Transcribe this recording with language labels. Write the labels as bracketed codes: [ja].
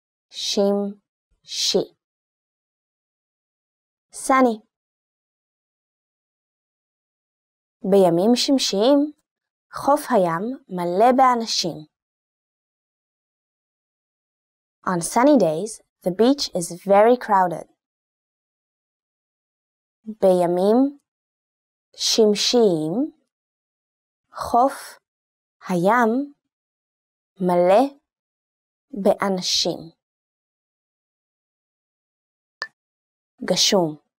[he] שמשי, [en] sunny. [he] בימים שמשיים, חוף הים מלא באנשים. [en] On sunny days, the beach is very crowded. [he] בימים שמשיים, חוף הים מלא באנשים. גשום,